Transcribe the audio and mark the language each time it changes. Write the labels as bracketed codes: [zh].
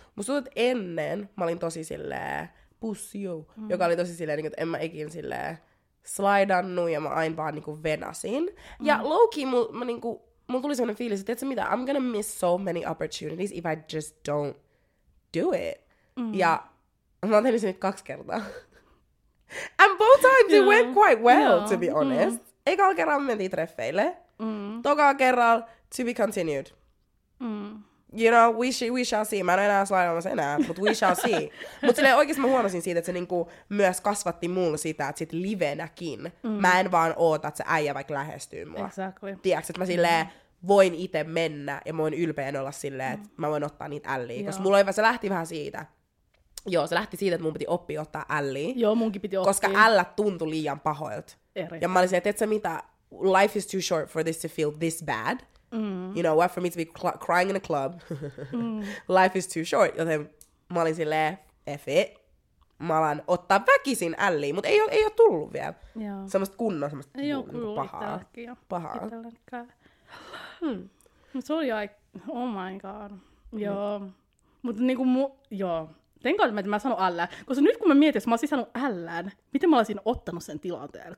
[fi] Musta tuntuu, että ennen mä olin tosi silleen, [en] puss you, [fi] joka oli tosi silleen, että en mä ikin silleen slaidannu ja mä aina vaan niinku venasin. Ja lowkey mulla tuli sellainen fiilis, että mitä, [en] I'm gonna miss so many opportunities if I just don't do it. [fi] Ja mä oon tehnyt sen nyt 2 kertaa. [en] And both times it went quite well, to be honest. [fi] Ekalla kerralla mentiin treffeille. Tokaa kerralla, [en] to be continued. You know, we shall see. [fi] Mä en ole enää slaidaamassa enää, [en] but we shall see. [fi] Mut silleen oikeesti mä huomasin siitä, että se niinku myös kasvatti mulla sitä, että sit livenäkin mä en vaan oota, että se äijä vaikka lähestyy mua. [en] Exactly. [fi] Tiedätkö, että mä silleen voin ite mennä ja mä voin ylpeän olla silleen, että mä voin ottaa niitä älliä. Koska mulla se lähti vähän siitä. Joo, se lähti siitä, että mun piti oppia ottaa älliä. Joo, munkin piti oppia. Koska ällä tuntui liian pahoilta. Ja mä olin silleen, että et sä mitä, [en] life is too short for this to feel this bad. You know what, for me to be crying in a club, life is too short. [fi] Joten mä olin silleen, [en] F it. [fi] Mä alan ottaa väkisin älliä, mutta ei ole tullut vielä. Joo. Semmosta kunnon, semmosta ei ole kuullut itselläkin jo. Pahaa. Se oli aika, [en] oh my god. [fi] Joo. Mutta niinku joo. Tenkaan, että mä sanon ällään. Koska nyt kun mä mietin, että mä olisin sanonut ällään, miten mä olisin ottanut sen tilanteen?